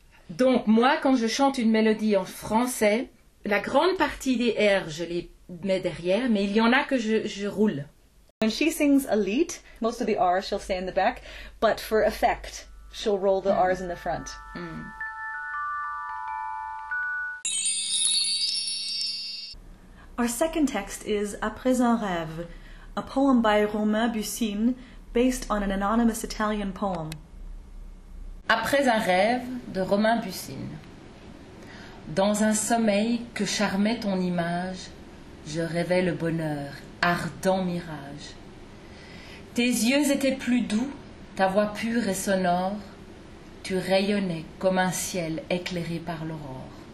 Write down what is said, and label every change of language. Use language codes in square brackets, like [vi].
[fr] Donc moi, quand je chante une mélodie en français, la grande partie des R, je les mets derrière, mais il y en a que je roule. [en] When she sings a lead, most of the R's she'll say in the back, but for effect, she'll roll the R's in the front. Mm. Our second text is Après un rêve, a poem by Romain Bucine based on an anonymous Italian poem. [fr] Après un rêve de Romain Bucine. Dans un sommeil que charmait ton image, je rêvais le bonheur. Ardent mirage. Tes yeux étaient plus doux, ta voix pure et sonore, tu rayonnais comme un ciel éclairé par l'aurore.